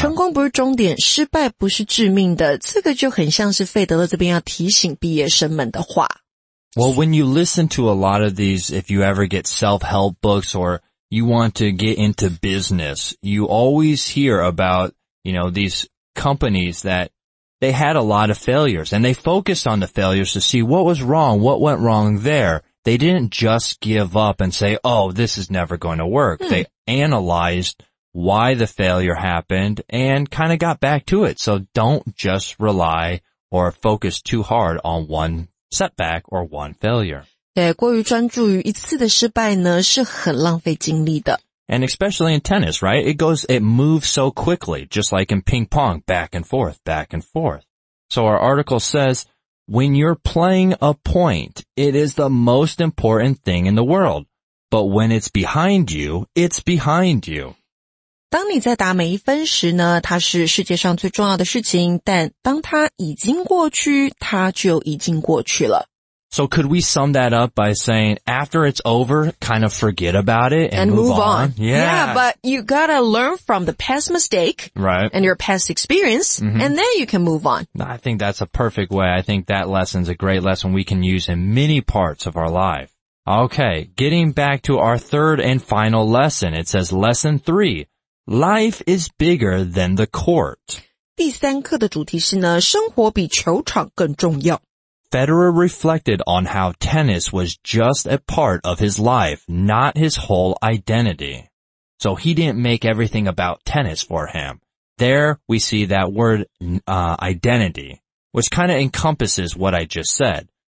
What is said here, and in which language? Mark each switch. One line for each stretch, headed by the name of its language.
Chinese: 成功不是终点，失败不是致命的，这个就很像是费德勒这边要提醒毕业生们的话。
English: Well, when you listen to a lot of these, if you ever get self-help books or... You want to get into business. You always hear about, you know, these companies that they had a lot of failures and they focused on the failures to see what was wrong, what went wrong there. They they didn't just give up and say, oh, this is never going to work. They analyzed why the failure happened and kind of got back to it. So don't just rely or focus too hard on one setback or one failure.
Chinese: 对，过于专注于一次的失败呢，是很浪费精力的。
English: And especially in tennis, right? It moves so quickly, just like in ping pong, back and forth, back and forth. So our article says, when you're playing a point, it is the most important thing in the world. But when it's behind you, it's behind you.
Chinese: 当你在打每一分时呢，它是世界上最重要的事情，但当它已经过去，它就已经过去了。
English: So could we sum that up by saying, after it's over, kind of forget about it and move on? Yeah. Yeah, but you gotta learn from the past mistake, right, and your past experience, mm-hmm, and then you can move on. I think that's a perfect way. I think that lesson's a great lesson we can use in many parts of our life. Okay, getting back to our third and final lesson. It says lesson 3, life is bigger than the court.
Chinese: 第三课的主题是呢，生活比球场更重要。
English: Federer reflected on how tennis was just a part of his life, not his whole identity. So he didn't make everything about tennis for him. There we see that word, identity, which kind of encompasses what I just said.